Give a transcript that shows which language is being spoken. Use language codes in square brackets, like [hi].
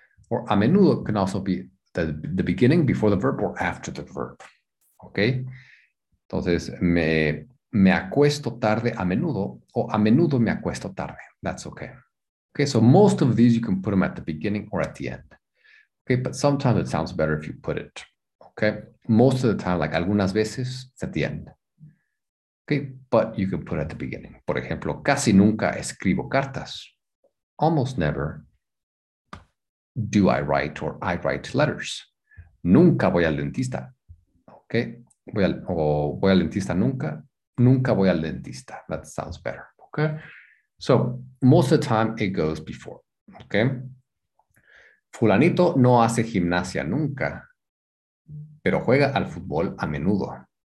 [en] Or [es] a menudo [en] can also be the beginning before the verb or after the verb. Okay. [es] Entonces, me acuesto tarde a menudo o a menudo me acuesto tarde. [en] That's okay. Okay, so most of these you can put them at the beginning or at the end. Okay, but sometimes it sounds better if you put it. Okay. Most of the time, like [es] algunas veces, [en] it's at the end. Okay, but you can put it at the beginning. [es] Por ejemplo, casi nunca escribo cartas. [en] Almost never do I write or I write letters. [es] Nunca voy al dentista. Okay. Voy al dentista nunca. Nunca voy al dentista. [en] That sounds better. Okay. So most of the time it goes before. Okay. [es] Fulanito no hace gimnasia nunca, pero juega al fútbol a menudo.